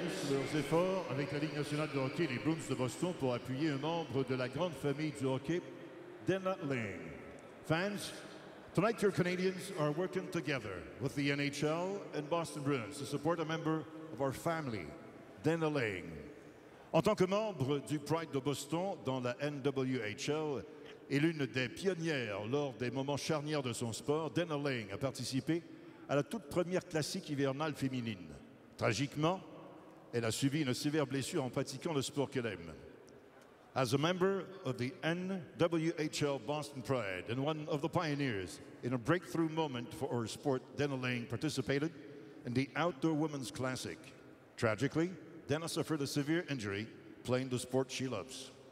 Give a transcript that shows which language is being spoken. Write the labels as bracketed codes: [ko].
[fr] Leurs efforts avec la Ligue nationale de hockey, les Bruins de Boston, pour appuyer un membre de la grande famille du hockey, Denna Laing. [en] Fans, tonight your Canadians are working together with the NHL and Boston Bruins to support a member of our family, Denna Laing. [fr] En tant que membre du Pride de Boston dans la NWHL et l'une des pionnières lors des moments charnières de son sport, Denna Laing a participé à la toute première classique hivernale féminine. Tragiquement, elle a subi une sévère blessure en pratiquant le sport qu'elle aime. [en] As a member of the NWHL Boston Pride and one of the pioneers in a breakthrough moment for our sport, Denna Laing participated in the Outdoor Women's Classic. Tragically, Denna suffered a severe injury playing the sport she loves.